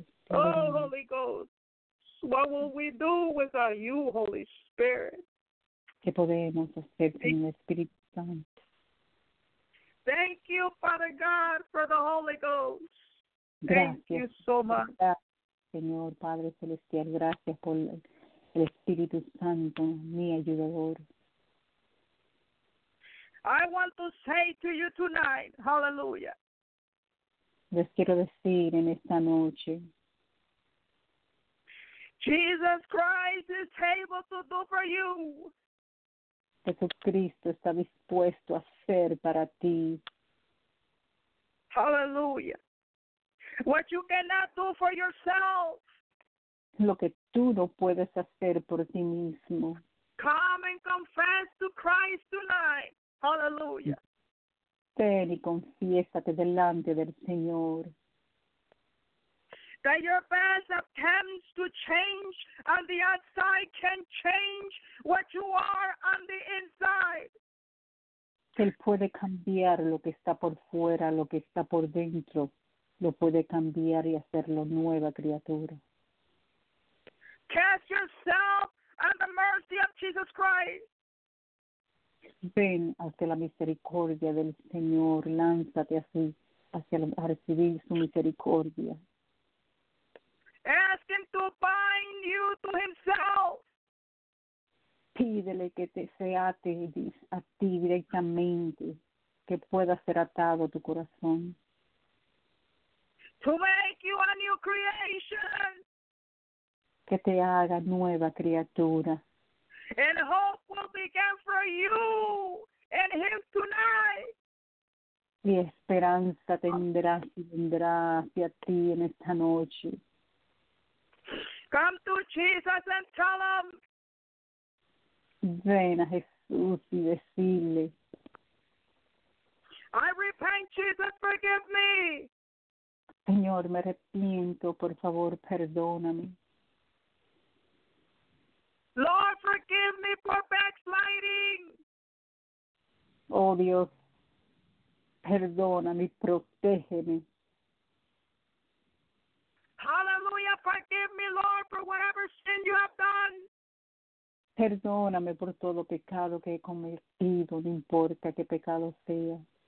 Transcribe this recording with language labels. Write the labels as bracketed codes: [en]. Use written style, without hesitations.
[en] Oh, Holy Ghost, what will we do without you, Holy Spirit? [es] ¿Qué podemos hacer sin el Espíritu Santo? [en] Thank you, Father God, for the Holy Ghost. Thank [es] gracias. [en] You so much. [es] Señor Padre Celestial, gracias por el Espíritu Santo, mi ayudador. [en] I want to say to you tonight, hallelujah. [es] Les quiero decir en esta noche. [en] Jesus Christ is able to do for you. [es] Jesucristo está dispuesto a hacer para ti. [en] Hallelujah. What you cannot do for yourself. [es] Lo que tú no puedes hacer por ti mismo. [en] Come and confess to Christ tonight. Hallelujah. [es] Ven y confiésate delante del Señor. [en] that your best attempts to change on the outside can change what you are on the inside. [es] Él puede cambiar lo que está por fuera, lo que está por dentro. Lo puede cambiar y hacerlo nueva criatura. [en] Cast yourself on the mercy of Jesus Christ. [es] Ven hacia la misericordia del Señor. Lánzate así a recibir su misericordia. [en] Ask him to bind you to himself. [es] Pídele que se ate a ti directamente, que pueda ser atado tu corazón. [en] To make you a new creation. [es] Que te haga nueva criatura. [en] And hope will begin for you and him tonight. [es] Y esperanza tendrás y vendrá hacia ti en esta noche. [en] Come to Jesus and tell him. [es] Ven a Jesús y decirle. [en] I repent, Jesus, forgive me. [es] Señor, me arrepiento, por favor, perdóname. [en] Lord, forgive me for backsliding. [es] Oh, Dios, perdóname, protégeme. [en] Hallelujah, forgive me, Lord, for whatever sin you have done. [es] Perdóname por todo pecado que he cometido, no importa qué pecado sea.